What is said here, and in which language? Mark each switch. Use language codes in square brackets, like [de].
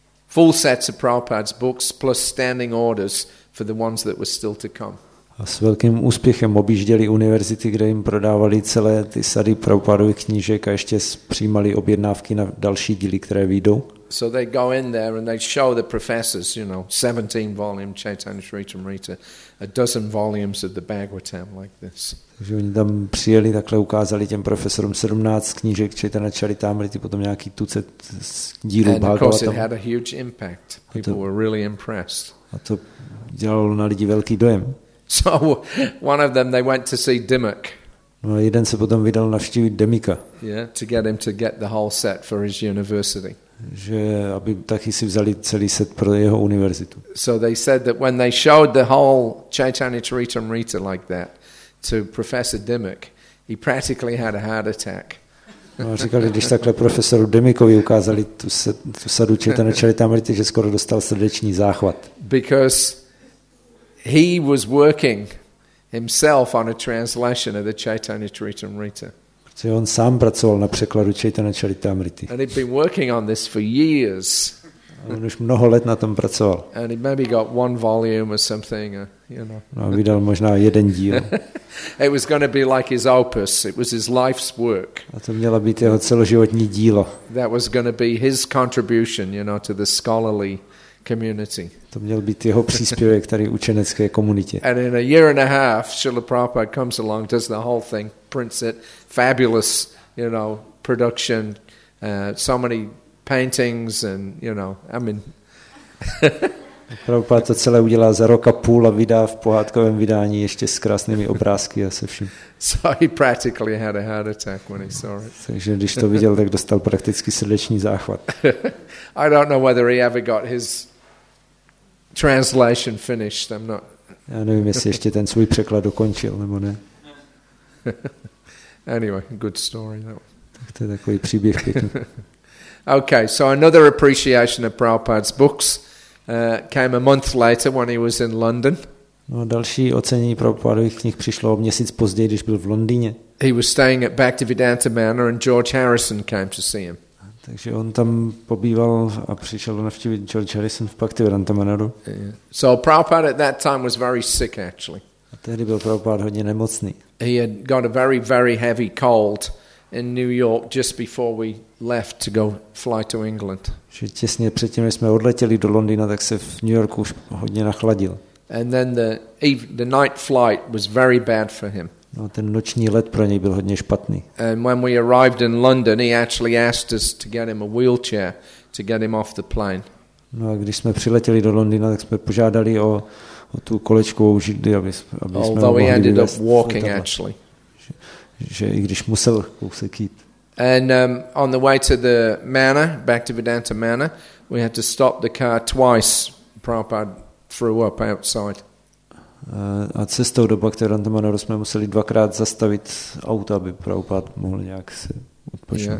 [en] full sets of Prabhupada's books plus standing orders for the ones that were still to come. [cs] A s velkým úspěchem objížděli univerzity, kde jim prodávali celé ty sady Prabhupádových knížek a ještě přijímali objednávky na další díly, které vyjdou. [en] So they go in there and they show the professors, you know, 17 volume Chaitanya Charitamrita, a dozen volumes of the Bhagavatam like this. [cs] Takže oni tam přijeli, takhle ukázali těm profesorům 17 knížek Chaitanya Charitamrity, potom nějaký tucet dílů Bhagavatam. [en] And of course it had a huge impact. People were really impressed. [cs] A to dělalo na lidi velký dojem. [en] So one of them, they went to see Dimmock. [cs] No, jeden se potom vydal navštívit Dimmocka. [en] Yeah, to get him to get the whole set for his university. [cs] Že aby taky si vzali celý set pro jeho univerzitu. [en] So they said that when they showed the whole Chaitanya Charitamrita like that to Professor Dimmock, he practically had a heart attack. [cs] No, říkali, když takhle profesoru Dimmockovi ukázali tu sadu Chaitanya Charitamrity, že skoro dostal srdeční záchvat. [en] Because he was working himself on a translation of the Chaitanya Charitamrita. [cs] Protože on sám pracoval na překladu Chaitanya Charitamrity. [en] And he'd been working on this for years. [cs] On už mnoho let na tom pracoval. [en] And he maybe got one volume or something, you know. [cs] No, vydal možná jeden díl. [en] It was going to be like his opus. It was his life's work. [cs] A to mělo být jeho celoživotní dílo. [en] That was going to be his contribution, you know, to the scholarly community. [cs] To měl být jeho příspěvek tady učenecké komunitě. [en] And in a year and a half, Srila Prabhupada comes along, does the whole thing, prints it, fabulous, you know, production, so many paintings, and you know, I mean. [cs] Prabhupada to celé udělá za rok a půl a vydá v pohádkovém vydání ještě s krásnými obrázky a se vším. [en] So he practically had a heart attack when he saw it. [cs] Takže když to viděl, tak dostal prakticky srdeční záchvat. [en] I don't know whether he ever got his translation finished. I'm not. [cs] Já nevím, jestli ještě ten svůj překlad dokončil nebo ne. [en] Anyway, good story though. [cs] Tak to je takový příběh pěkný. [en] Okay, so another appreciation of Prabhupada's books came a month later when he was in London. [cs] No, další ocenění Prabhupádových knih přišlo o měsíc později, když byl v Londýně. [en] He was staying at Bhaktivedanta Manor and George Harrison came to see him. [cs] Takže on tam pobýval a přišel navštívit George Harrison v Bhaktivedanta Manoru. [en] So Prabhupada at that time was very sick actually. [cs] A tehdy byl Prabhupada hodně nemocný. [en] He had got a very, very heavy cold in New York just before we left to go fly to England. [cs] Že těsně předtím, než jsme odletěli do Londýna, tak se v New Yorku už hodně nachladil. [en] And then the night flight was very bad for him. [cs] No, ten noční let pro něj byl hodně špatný. [en] And when we arrived in London, he actually asked us to get him a wheelchair to get him off the plane. [cs] No, a když jsme přiletěli do Londýna, tak jsme požádali o tu kolečkovou židli, aby jsme mohli vyvést. [en] Although he ended up walking, actually. [cs] Že i když musel kousek jít. [en] And on the way to the manor, back to Vedanta Manor, we had to stop the car twice. Prabhupada threw up outside. [cs] A cestou do Bhaktivedanta Manoru jsme museli dvakrát zastavit auto, aby Prabhupada mohl nějak se odpočnout.